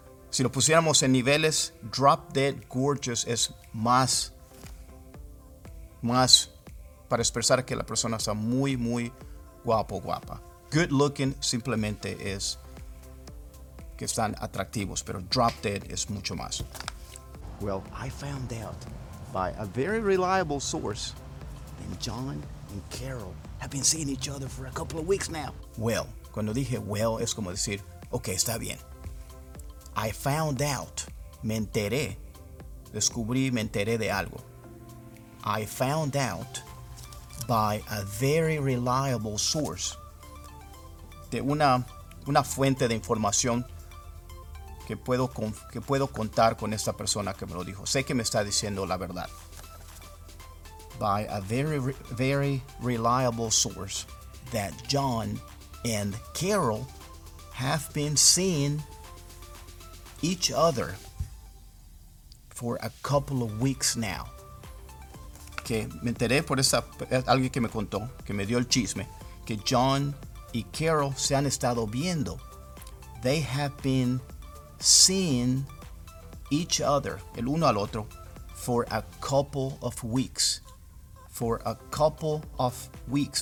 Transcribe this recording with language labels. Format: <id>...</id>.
<es>Si lo pusiéramos en niveles,</es> <en>drop dead gorgeous</en> <es>es más... Más para expresar que la persona está muy, muy guapo, guapa.</es> <en>Good looking</en> <es>simplemente es que están atractivos, pero drop dead es mucho más.</es> <en>Well, I found out by a very reliable source that John and Carol have been seeing each other for a couple of weeks now.</en> <es>Well, cuando dije well, es como decir, ok, está bien.</es> <en>I found out,</en> <es>me enteré, descubrí, me enteré de algo.</es> <en>I found out by a very reliable source.</en> <es>De una fuente de información que puedo contar con esta persona que me lo dijo. Sé que me está diciendo la verdad.</es> <en>By a very, very reliable source that John and Carol have been seeing each other for a couple of weeks now.</en> <es>Que me enteré por esa alguien que me contó, que me dio el chisme, que John y Carol se han estado viendo.</es> <en>They have been seeing each other,</en> <es>el uno al otro,</es> <en>for a couple of weeks. For a couple of weeks,</en>